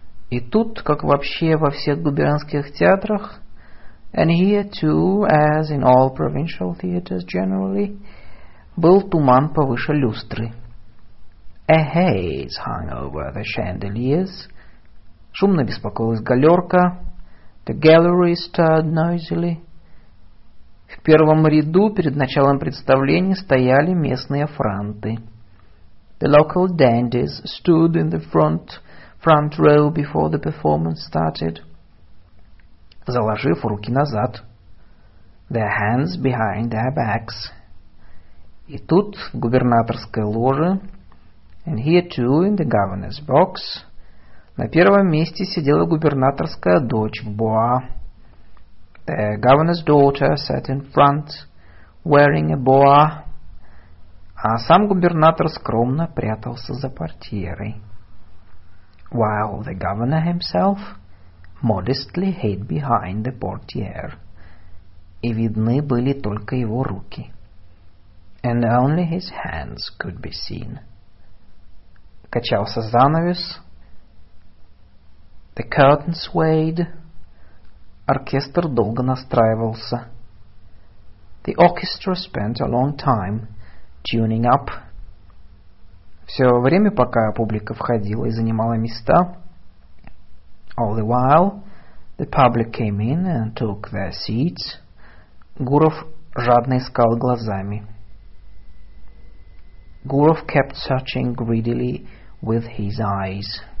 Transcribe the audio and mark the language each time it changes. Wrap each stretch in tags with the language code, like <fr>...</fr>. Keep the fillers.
<ru>И тут, как вообще во всех губернских театрах,</ru> <en>and here too, as in all provincial theaters generally,</en> <ru>был туман повыше люстры.</ru> <en>A haze hung over the chandeliers.</en> <ru>Шумно беспокоилась галерка.</ru> <en>The gallery stirred noisily.</en> <ru>В первом ряду перед началом представления стояли местные франты.</ru> <en>The local dandies stood in the front front row before the performance started.</en> <ru>Заложив руки назад.</ru> <en>Their hands behind their backs.</en> <ru>— и тут в губернаторской ложе,</ru> <en>and here too in the governor's box,</en> <ru>на первом месте сидела губернаторская дочь в боа.</ru> <en>The governor's daughter sat in front, wearing a boa,</en> <ru>а сам губернатор скромно прятался за портьерой.</ru> <en>While the governor himself modestly hid behind the portiere.</en> <ru>И видны были только его руки</ru> <en>— and only his hands could be seen.</en> <ru>Качался</ru> <en>The curtain swayed.</en> <ru>Оркестр долго настраивался.</ru> <en>The orchestra spent a long time tuning up.</en> <ru>Все время, пока публика входила и занимала места,</ru> <en>all the while the public came in and took their seats,</en> <ru>Гуров жадно искал глазами</ru> <en>– Gurov kept searching greedily with his eyes.</en>